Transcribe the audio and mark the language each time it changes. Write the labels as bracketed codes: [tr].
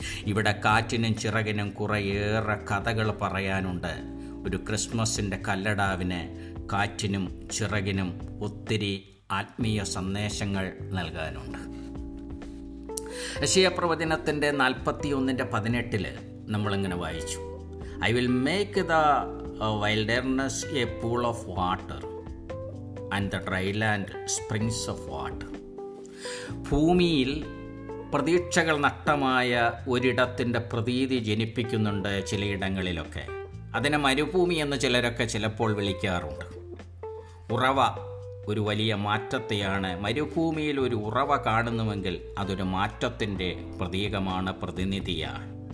[ml] ഇവിടെ കാറ്റിനും ചിറകിനും കുറേയേറെ കഥകൾ പറയാനുണ്ട്. ഒരു ക്രിസ്മസിൻ്റെ കല്ലടാവിന് കാറ്റിനും ചിറകിനും ഒത്തിരി ആത്മീയ സന്ദേശങ്ങൾ നൽകാനുണ്ട്. യെശയ്യാപ്രവചനത്തിൻ്റെ 41:18 നമ്മളിങ്ങനെ വായിച്ചു. [en] I will make the wilderness a pool of water and the dry land springs of water. [ml] ഭൂമിയിൽ പ്രതീക്ഷകൾ നഷ്ടമായ ഒരിടത്തിൻ്റെ പ്രതീതി ജനിപ്പിക്കുന്നുണ്ട് ചിലയിടങ്ങളിലൊക്കെ. അതിനെ മരുഭൂമി എന്ന് ചിലരൊക്കെ ചിലപ്പോൾ വിളിക്കാറുണ്ട്. ഉറവ ഒരു വലിയ മാറ്റത്തെയാണ്. മരുഭൂമിയിൽ ഒരു ഉറവ കാണുന്നുവെങ്കിൽ അതൊരു മാറ്റത്തിൻ്റെ പ്രതീകമാണ്, പ്രതിനിധിയാണ്.